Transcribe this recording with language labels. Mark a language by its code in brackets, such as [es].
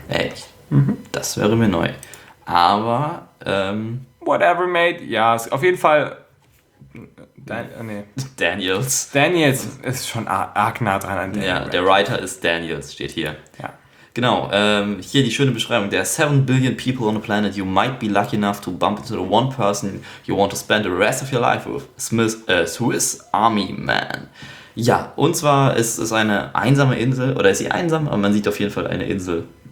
[de] Echt? Das wäre mir neu. Aber [en] Whatever, mate. [de] Ja, auf jeden Fall. Daniels. Daniels ist schon arg nah dran an Daniels. Ja, der Writer ist Daniels, steht hier. Ja. Genau, hier die schöne Beschreibung. [en] There are 7 billion people on the planet. You might be lucky enough to bump into the one person you want to spend the rest of your life with. Swiss Army Man. [de] Ja, und zwar ist es eine einsame Insel. Oder ist sie einsam? Aber man sieht auf jeden Fall eine Insel.